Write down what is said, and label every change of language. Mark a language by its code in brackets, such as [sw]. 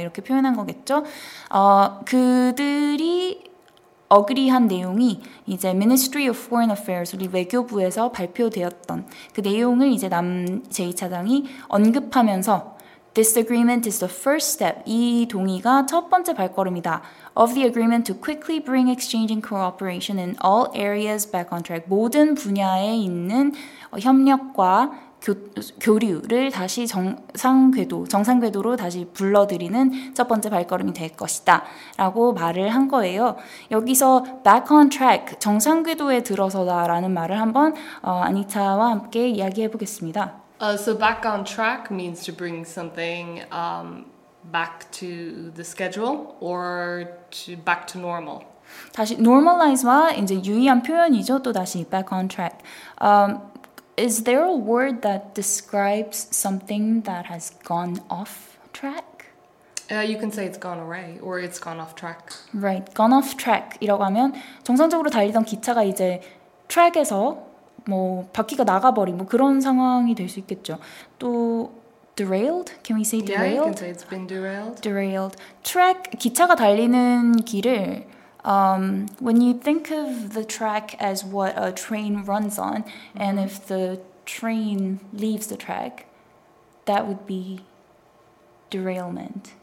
[ko] 이렇게 표현한 거겠죠. 그들이 어그리한 내용이 이제 Ministry of Foreign Affairs, 우리 외교부에서 발표되었던 그 내용을 이제 남 제2차장이 언급하면서 [en] This agreement is the first step. [ko] 이 동의가 첫 번째 발걸음이다. [en] Of the agreement to quickly bring exchange and cooperation in all areas back on track. [ko] 모든 분야에 있는 협력과 교류를 다시 정상궤도로 다시 불러들이는 첫 번째 발걸음이 될 것이다 라고 말을 한 거예요. 여기서 back on track, 정상궤도에 들어서다 라는 말을 한번 아니타와 함께 이야기해 보겠습니다. [en] So back on track means to bring something back to the schedule or to back to normal. [ko] 다시 normalize와 이제 유의한 표현이죠. 또 다시 back on track. [en] Is there a word that describes something that has gone off track? You can say it's gone away or it's gone off track. Right, gone off track. [ko] 이라고 하면 정상적으로 달리던 기차가 이제 track에서 뭐 바퀴가 나가버린 뭐 그런 상황이 될 수 있겠죠. [en] 또 derailed? Can we say derailed? Yeah, you can say it's been derailed. Derailed. Track, [ko] 기차가 달리는 길을 [en] when you think of the track as what a train runs on, mm-hmm. and if the train leaves the track, that would be derailment.